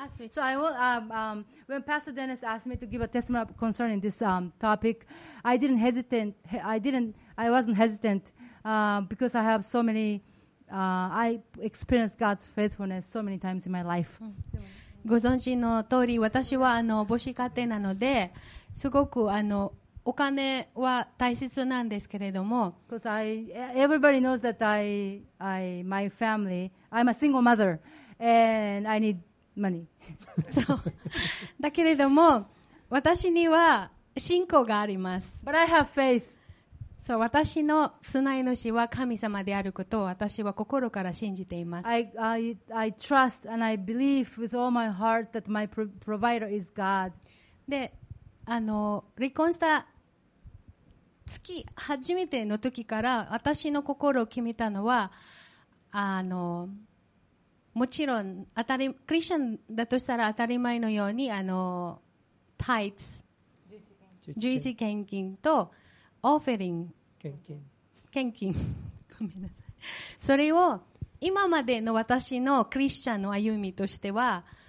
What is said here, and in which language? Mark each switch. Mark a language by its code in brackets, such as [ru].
[en] So I will, when Pastor Dennis asked me to give a testimony concerning this topic, I didn't hesitate. I wasn't hesitant because I have so many. I experienced God's faithfulness so many times in my life. [ja] ご存知の通り、私は母子家庭なので、すごくお金は大切なんですけれども。 [en] Because everybody knows that my family, I'm a single mother, and I need. Money. [ja] そう。だけれども、私には信仰があります。 [en] But I have faith. [ja] そう、私の住まい主は神様であることを私は心から信じています。 [en] I trust and I believe with all my heart that my provider is God. [ja] で、離婚した月初めての時から私の心を決めたのは、もちろん当たりクリスチャンだとしたら当たり前のようにタイツ十字献金とオフェリング献金ごめんなさいそれを今までの私のクリスチャンの歩みとしては